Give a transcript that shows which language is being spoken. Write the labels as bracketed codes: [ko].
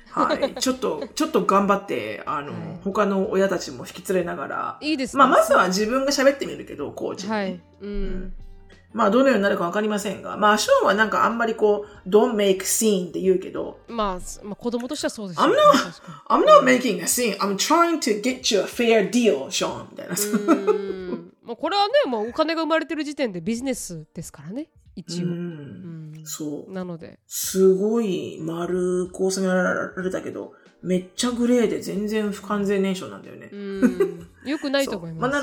[ja] はい、ちょっと頑張ってあの、はい、他の親たちも引き連れながらいいです、ね、まあ、まずは自分が喋ってみるけどコーチに、はい、うん、まあどのようになるか分かりませんが、まあショーンはなんかあんまりこう [en] Don't make scene [ja] って言うけど、まあ、まあ子供としてはそうです [en] よね。I'm not making a scene. I'm trying to get you a fair deal, Sean [ja] みたいな。うん、まあこれはね、まあ、お金が生まれてる時点でビジネスですからね、一応。うん、そう。なので。すごい丸く収められたけど、めっちゃグレーで全然不完全燃焼なんだよね。うん、よくないと思います。まあ、